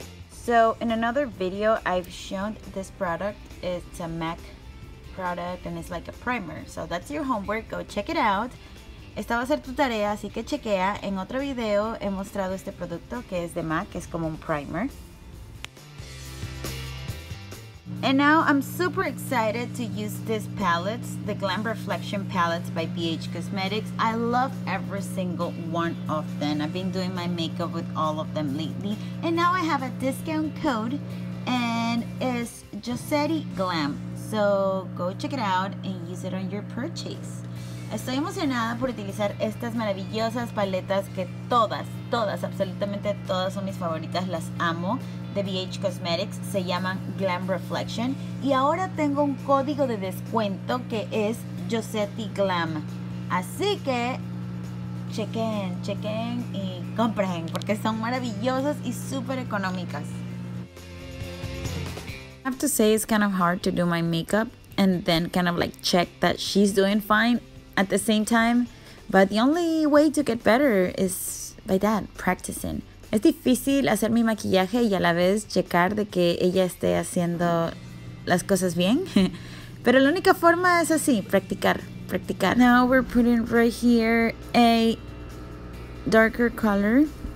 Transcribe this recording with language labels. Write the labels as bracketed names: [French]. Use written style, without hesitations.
[English] So in another video, I've shown this product. It's a MAC product and it's like a primer. So that's your homework, go check it out. [Spanish] Esta va a ser tu tarea, así que chequea. En otro video he mostrado este producto que es de MAC, que es como un primer. [English] And now I'm super excited to use these palettes, the Glam Reflection Palettes by BH Cosmetics. I love every single one of them. I've been doing my makeup with all of them lately. And now I have a discount code and it's Josetty Glam. So go check it out and use it on your purchase. [Spanish] Estoy emocionada por utilizar estas maravillosas paletas que todas, absolutamente todas son mis favoritas, las amo, de BH Cosmetics, se llaman Glam Reflection. Y ahora tengo un código de descuento que es Josetty Glam. Así que chequen y compren porque son maravillosas y súper económicas. [English] I have to say it's kind of hard to do my makeup and then kind of like check that she's doing fine at the same time, but the only way to get better is by that, practicing. [Spanish] Es difícil hacer mi maquillaje y a la vez checar de que ella esté haciendo las cosas bien, pero la única forma es así, practicar. [English] Now we're putting right here a darker color.